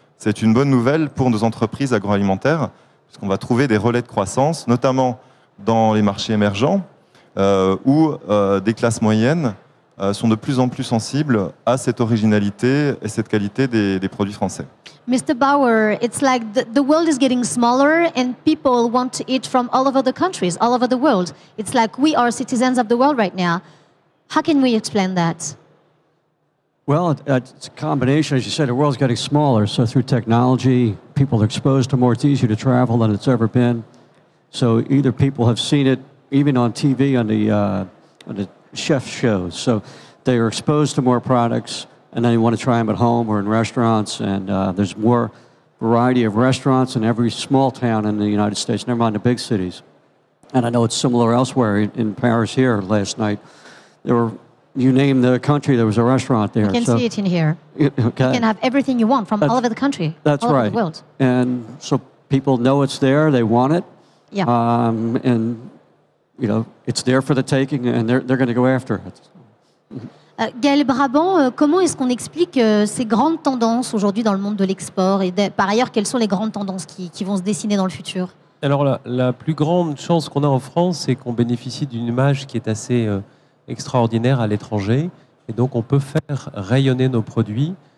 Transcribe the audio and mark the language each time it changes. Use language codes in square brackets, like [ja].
[fr] C'est une bonne nouvelle pour nos entreprises agroalimentaires, parce qu'on va trouver des relais de croissance, notamment dans les marchés émergents ou des classes moyennes sont de plus en plus sensibles à cette originalité et cette qualité des produits français. [en] Mr. Bauer, it's like the world is getting smaller and people want to eat from all over the countries, all over the world. It's like we are citizens of the world right now. How can we explain that? Well, it's a combination, as you said, the world's getting smaller. So through technology, people are exposed to more, it's easier to travel than it's ever been. So either people have seen it, even on TV, on the chef shows, so they are exposed to more products and then you want to try them at home or in restaurants, and there's more variety of restaurants in every small town in the United States, never mind the big cities. And I know it's similar elsewhere. In Paris here last night, there were, you name the country, there was a restaurant there. You can see it in here. Okay. You can have everything you want from all over the country. That's all right. Over the world. And so people know it's there, they want it. Yeah. And you know, it's there for the taking and they're going to go after it. [fr] Gaël Brabant, comment est-ce qu'on explique ces grandes tendances aujourd'hui dans le monde de l'export et par ailleurs, quelles sont les grandes tendances qui vont se dessiner dans le futur? Alors, la plus grande chance qu'on a en France, c'est qu'on bénéficie d'une image qui est assez extraordinaire à l'étranger et donc on peut faire rayonner nos produits.